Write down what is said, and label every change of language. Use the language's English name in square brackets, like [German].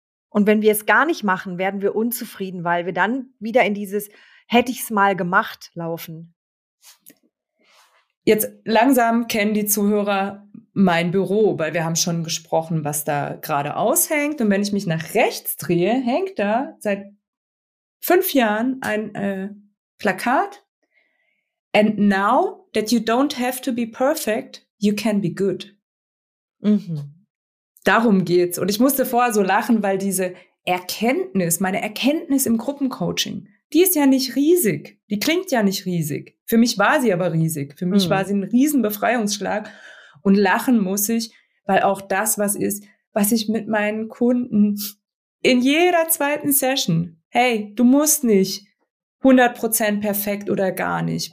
[German] Und wenn wir es gar nicht machen, werden wir unzufrieden, weil wir dann wieder in dieses "hätte ich's mal gemacht" laufen. Jetzt langsam kennen die Zuhörer mein Büro, weil wir haben schon gesprochen, was da gerade aushängt. Und wenn ich mich nach rechts drehe, hängt da seit 5 Jahren ein Plakat. [English] "And now that you don't have to be perfect, you can be good." [German] Mhm. Darum geht's. Und ich musste vorher so lachen, weil diese Erkenntnis, meine Erkenntnis im Gruppencoaching, die ist ja nicht riesig. Die klingt ja nicht riesig. Für mich war sie aber riesig. Für mich war sie ein riesen Befreiungsschlag. Und lachen muss ich, weil auch das was ist, was ich mit meinen Kunden in jeder zweiten Session, hey, du musst nicht 100% perfekt oder gar nicht.